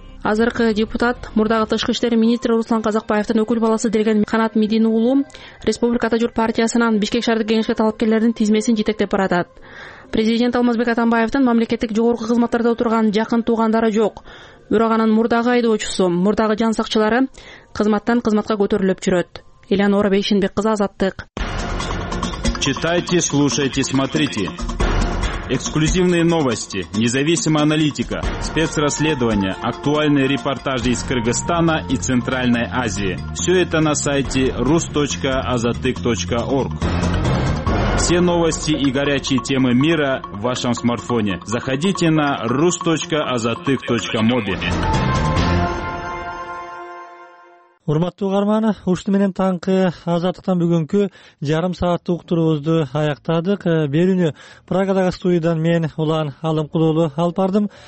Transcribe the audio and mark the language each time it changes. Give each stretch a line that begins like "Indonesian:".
Kyrgyz: Азыркы депутат мурдагы тышкы иштер министри Руслан Казакбаевдин өкүл баласы деген Канат Медин уулу Республика ата журт партиясынан Бишкек шаардык кеңешке талапкерлердин тизмесин жетектеп баратат. Президент Алмазбек Атамбаевдин мамлекеттик жогорку кызматтарда отурган жакын туугандары жок. Бирок анын мурдагы айдоочусу, мурдагы жан сакчылары кызматтан кызматка көтөрүлүп жүрөт. Элеонора Бейшенбек кызы, Азаттык.
Russian: Читайте, слушайте, смотрите. Эксклюзивные новости, независимая аналитика, спецрасследования, актуальные репортажи из Кыргызстана и Центральной Азии. Все это на сайте rus.azatyk.org. Все новости и горячие темы мира в вашем смартфоне. Заходите на rus.azatyk.mobi.
Kyrgyz: Урматтуу каарманы, ушту менен таңкы азаттыктан бүгүнкү жарым сааттык уктуруубузду аяктадык. Берүүнү Прагадагы студиядан мен Улан Алымкулуулу алып бардым.